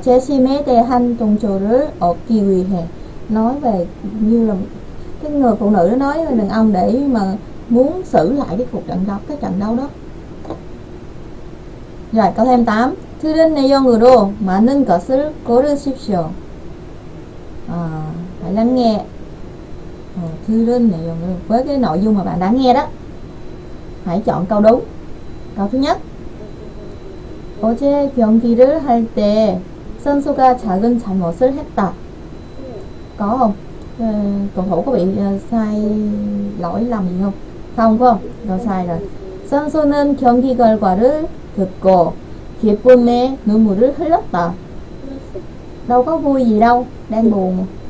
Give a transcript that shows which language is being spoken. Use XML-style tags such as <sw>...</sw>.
<ko>재심에 대한 동조를 얻기 위해.</ko> <vi>Nói về như là cái người phụ nữ đó nói với đàn ông để mà muốn xử lại cái cuộc trận đấu, cái trận đấu đó. Rồi câu 28.</vi> <ko>틀린 내용으로 많은 것을 고르십시오.</ko> <vi>Phải lắng nghe.</vi> <ko>틀린 내용으로,</ko> <vi>với cái nội dung mà bạn đã nghe đó, hãy chọn câu đúng. Câu thứ nhất.</vi> <ko>어제 경기를 할 때 선수가 작은 잘못을 했다.</ko> <vi>Có không? Cầu thủ có bị sai lỗi lầm gì không? Không không? Rồi sai rồi.</vi> <ko>선수는 경기 결과를 듣고 기쁨에 눈물을 흘렸다.</ko> <vi>Đâu có vui gì đâu, đang buồn.</vi>